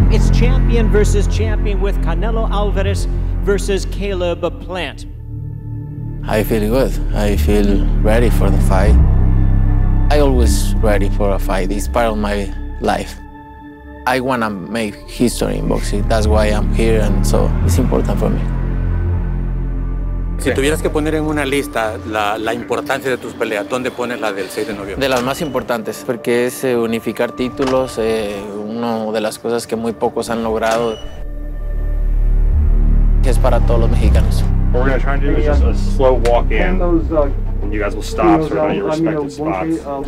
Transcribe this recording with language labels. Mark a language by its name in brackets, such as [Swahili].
[English] It's champion versus champion with Canelo Álvarez versus Caleb Plant. I feel good. I feel ready for the fight. I always ready for a fight. It's part of my life. I want to make history in boxing. That's why I'm here, and so it's important for me. [Spanish] Si tuvieras que poner en una lista la importancia de tus peleas, ¿dónde pones la del 6 de noviembre? De las más importantes, porque es unificar títulos, una de las cosas que muy pocos han logrado, que es para todos los mexicanos. [English] What we're going to try and do is just a slow walk in, and you guys will stop sort of on your respective spots.